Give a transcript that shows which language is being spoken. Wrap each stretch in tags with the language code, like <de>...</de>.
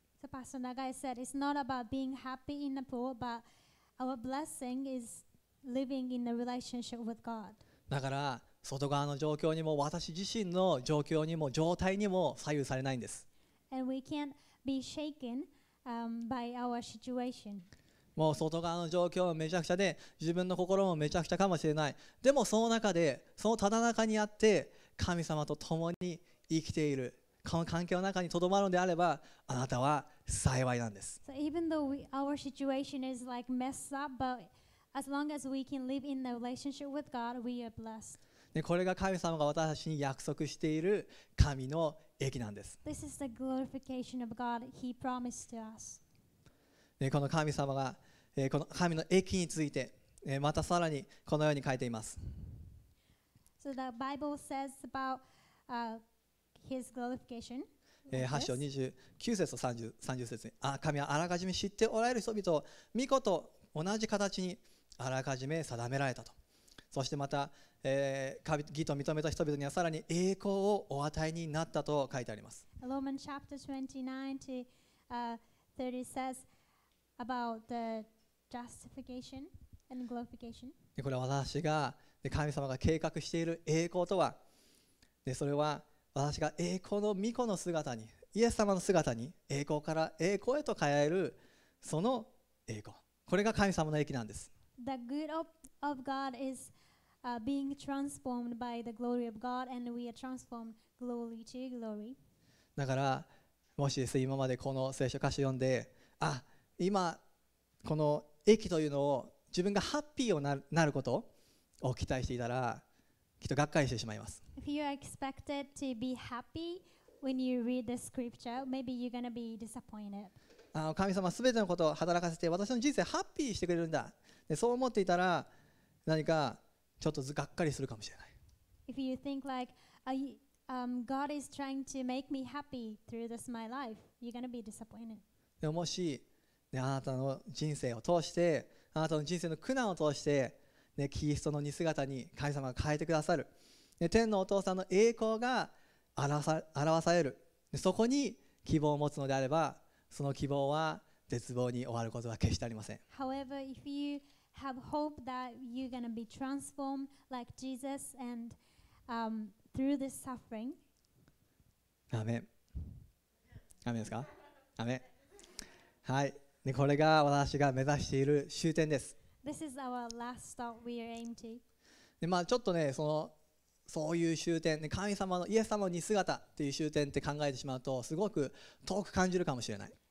<en>So Pastor Nagai said it's not about being happy in the poor, but our blessing is living in the relationship with God.</en> <ja>だから外側の状況にも私自身の状況にも状態にも左右されないんです。</ja> <en>And we can't be shaken. By our situation.</en> <ja>もう外側の状況はめちゃくちゃで、自分の心もめちゃくちゃかもしれない。でもその中で、そのただ中にあって、神様と共に生きている、この環境の中にとどまるのであれば、あなたは幸いなんです。</ja> <en>So even though our situation is like messed up, but as long as we can live in the relationship with God, we are blessed.</en> <ja>でこれが神様が私たちに約束している神の益なんです。</ja> <en>This is the glorification of God He promised to us.</en> <ja>でこの神様が、この神の益について、またさらにこのように書いています。</ja> <en>So the Bible says about, His glorification.</en> <ja>8章29節と 30節に、あ、神はあらかじめ知っておられる人々を御子と同じ形にあらかじめ定められたと。そしてまた、義と認めた人々にはさらに栄光をお与えになったと書いてあります。</ja> <en>Romans chapter 29-30 says about the justification and glorification.</en> <ja>これは私が神様が計画している栄光とは、それは私が栄光の御子の姿に、イエス様の姿に栄光から栄光へと変えるその栄光。これが神様の益なんです。</ja> <en>The good of God is being transformed by the glory of God, and we are transformed glory to glory.</en> <ja>だからもし今までこの聖書箇所読んで、あ、今この益というのを自分がハッピーをなることを期待していたら、きっとがっかりしてしまいます。</ja> <en>If you expected to be happy when you read the scripture, maybe you're gonna be disappointed.</en> <ja>神様すべてのことを働かせて私の人生ハッピーしてくれるんだ。で、そう思っていたら何かちょっとがっかりするかもしれない。</ja> <en>If you think like, God is trying to make me happy through this my life, you're gonna be disappointed.</en> <ja>でもし、ね、あなたの人生を通して、あなたの人生の苦難を通して、ね、キリストの似姿に神様が変えてくださる。で、天のお父さんの栄光が表される。で、そこに希望を持つのであれば、その希望は絶望に終わることは決してありません。</ja> <en>However, if you have hope that you're gonna be transformed like Jesus and, through this suffering.</en> <ja>アーメン。アーメンですか？アーメン。はい。で、これが私が目指している終点です。</ja> <en>This is our last stop we aim to.</en> <ja>で、まあちょっとね、そういう終点、神様のイエス様の似姿っていう終点って考えてしまうとすごく遠く感じるかもしれない。</ja>